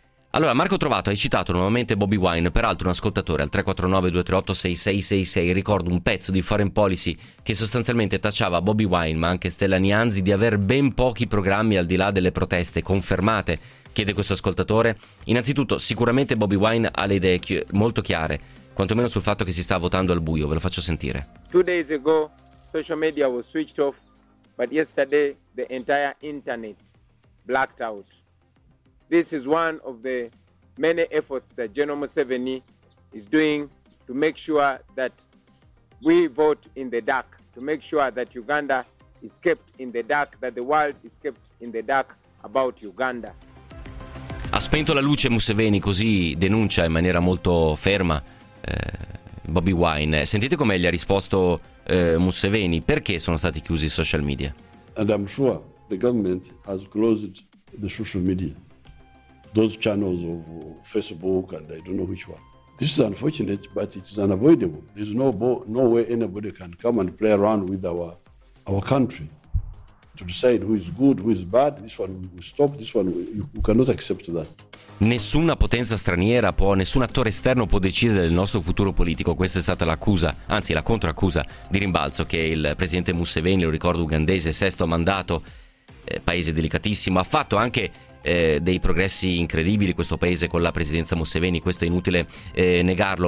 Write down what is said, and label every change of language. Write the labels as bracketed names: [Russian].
[Italian] Allora, Marco Trovato, hai citato nuovamente Bobi Wine, peraltro un ascoltatore al 349-238-6666, ricordo un pezzo di Foreign Policy che sostanzialmente tacciava Bobi Wine, ma anche Stella Nianzi, di aver ben pochi programmi al di là delle proteste. Confermate, chiede questo ascoltatore. Innanzitutto, sicuramente Bobi Wine ha le idee molto chiare, quantomeno sul fatto che si sta votando al buio, ve lo faccio sentire. [English] 2 days ago, social media was switched off, but yesterday the entire internet blacked out. This is one of the many efforts that General Museveni is doing to make sure that we vote in the dark, to make sure that Uganda is kept in the dark, that the world is kept in the dark about Uganda. [Italian] Ha spento la luce Museveni, così denuncia in maniera molto ferma Bobi Wine. Sentite come gli ha risposto Museveni, perché sono stati chiusi i social media? [English] And I'm sure the government has closed the social media. Those channels of Facebook and I don't know which one. This is unfortunate, but it is unavoidable. There's no way anybody can come and play around with our country to decide who is good, who is bad. This one we stop. This one we cannot accept that. [Italian] Nessuna potenza straniera può, nessun attore esterno può decidere del nostro futuro politico. Questa è stata l'accusa, anzi la controaccusa di rimbalzo che il presidente Museveni, lo ricordo, ugandese, sesto mandato, paese delicatissimo, ha fatto anche dei progressi incredibili questo paese con la presidenza Museveni, questo è inutile negarlo.